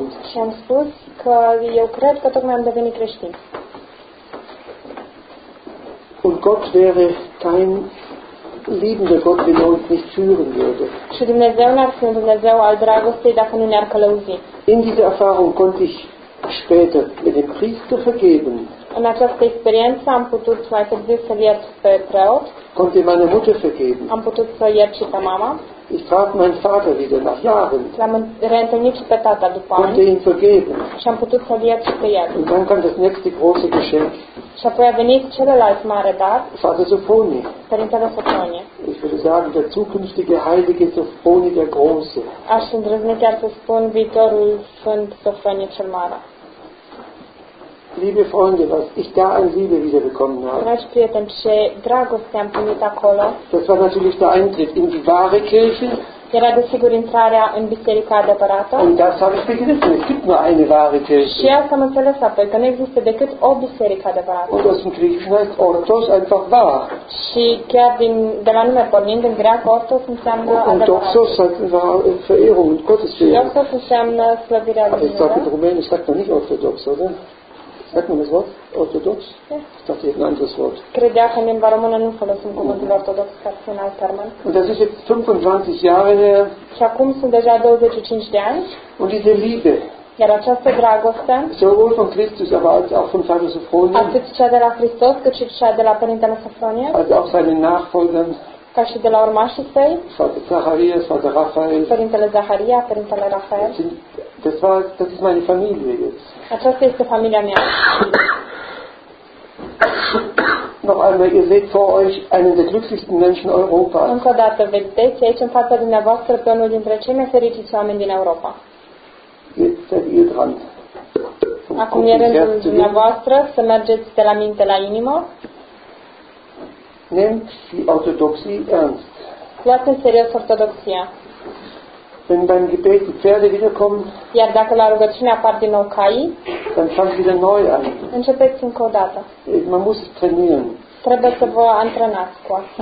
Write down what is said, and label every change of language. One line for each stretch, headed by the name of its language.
Romanian: Și am spus că eu cred că tocmai am devenit creștin.
German: Und Gott wäre kein liebender Gott, wenn er uns nicht führen würde.
Romanian: Și Dumnezeu n-ar fi un Dumnezeu al dragostei dacă nu ne-ar călăuzi.
German: In dieser Erfahrung konnte ich später mit dem Priester vergeben.
Romanian: În această experiență am putut mai târziu să-l iert pe preot.
German: Konnte meine Mutter vergeben.
Romanian: Am putut să iert și pe mama.
German: Ich traf meinen Vater wieder nach Jahren.
Romanian: L-am reîntâlnit și pe tata după ani.
German: Konnte ihn vergeben.
Romanian: Și am putut să-l iert și pe el.
German: Und dann kam das nächste große Geschenk.
Romanian: Și apoi a venit celălalt mare dar.
German: Vater Sofonie.
Romanian: Părintele Sofonie.
German: Ich würde sagen, der zukünftige heilige Sofonie der Große.
Romanian: Aș îndrăzni chiar să spun viitorul Sfânt Sofonie cel Mare.
German: Liebe Freunde, was ich da an Liebe wiederbekommen habe. Das war natürlich der Eintritt in die wahre Kirche.
Romanian: Era desigur intrarea în biserica adevărată.
German: Und das habe ich begriffen. Es gibt nur eine wahre Kirche.
Romanian: Și asta am înțeles apoi, că nu există decât o biserică adevărată.
German: Und aus dem Griechischen heißt Orthos einfach wahr.
Romanian: Și chiar din, de la nume pornind, în greacă Orthos înseamnă adevărat.
German: Und Doxos heißt Verehrung und Gottesdienst.
Romanian: Și Orthos înseamnă slăvirea Lui.
German: Aber ich sage in Rumänien, ich sage noch nicht Orthodox, oder? Sagt man das Wort? Orthodox? Ja. Ich dachte, ich hätte ein anderes Wort.
Romanian: Credea că în limba română nu folosim cuvântul ortodox, ca să fie un alt termen.
German: Und das ist jetzt 25 Jahre her.
Romanian: Și acum sunt deja 25 de ani.
German: Und diese Liebe.
Romanian: Iar această dragoste.
German: Sowohl von Christus, aber als auch von Vater Sofronie.
Romanian: Atât cea de la Hristos, cât și cea de la Părintele Sofronie.
German: Als auch seine Nachfolgern.
Romanian: Ca și de la urmașii săi.
German: Vater Zacharias, Vater Raphael.
Romanian: Părintele Zaharia, Părintele Rafael.
German: Das ist meine Familie jetzt.
Romanian: Aceasta este familia mea.
German: Noch einmal, ihr seht vor euch einen der glücklichsten Menschen Europas.
Romanian: Încă o dată vedeți aici în fața dumneavoastră pe unul dintre cei mai fericiți oameni din Europa.
German: Jetzt seid ihr dran.
Romanian: Acum e rândul dumneavoastră să mergeți de la minte la inimă.
German: Nehmt die Orthodoxie ernst.
Romanian: Luați în serios Ortodoxia.
German: Wenn beim Gebet die Pferde wiederkommen,
Romanian: iar dacă la rugăciune apar din nou cai,
German: dann fang wieder neu an.
Romanian: Începeți încă o dată.
German: Man muss trainieren.
Romanian: Trebuie să vă antrenați cu asta.